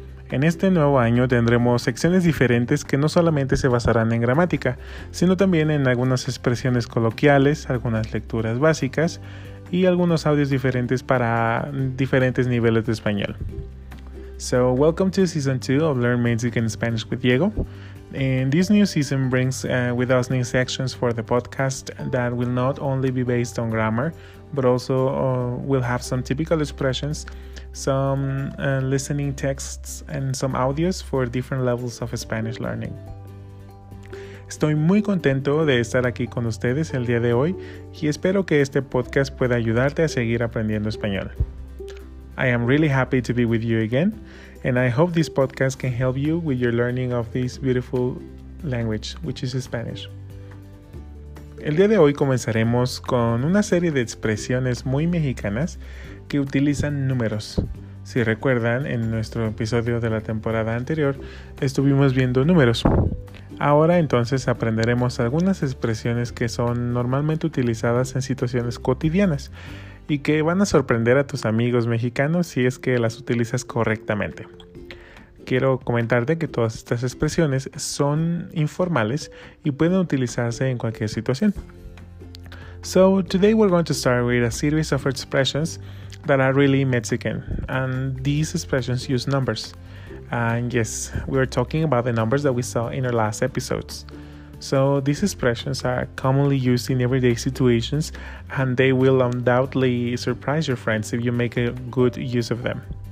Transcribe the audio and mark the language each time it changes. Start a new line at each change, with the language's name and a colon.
Spanish: En este nuevo año tendremos secciones diferentes que no solamente se basarán en gramática, sino también en algunas expresiones coloquiales, algunas lecturas básicas y algunos audios diferentes para diferentes niveles de español.
English: So, welcome to Season 2 of Learn Mexican Spanish with Diego. And this new season brings with us new sections for the podcast that will not only be based on grammar, but also will have some typical expressions, some listening texts, and some audios for different levels of Spanish learning.
Spanish: Estoy muy contento de estar aquí con ustedes el día de hoy, y espero que este podcast pueda ayudarte a seguir aprendiendo español.
English: I am really happy to be with you again, and I hope this podcast can help you with your learning of this beautiful language, which is Spanish.
Spanish: El día de hoy comenzaremos con una serie de expresiones muy mexicanas que utilizan números. Si recuerdan, en nuestro episodio de la temporada anterior estuvimos viendo números. Ahora entonces aprenderemos algunas expresiones que son normalmente utilizadas en situaciones cotidianas y que van a sorprender a tus amigos mexicanos si es que las utilizas correctamente. Quiero comentarte que todas estas expresiones son informales y pueden utilizarse en cualquier situación.
English: So, today we're going to start with a series of expressions that are really Mexican, and these expressions use numbers. And yes, we are talking about the numbers that we saw in our last episodes. So these expressions are commonly used in everyday situations, and they will undoubtedly surprise your friends if you make a good use of them.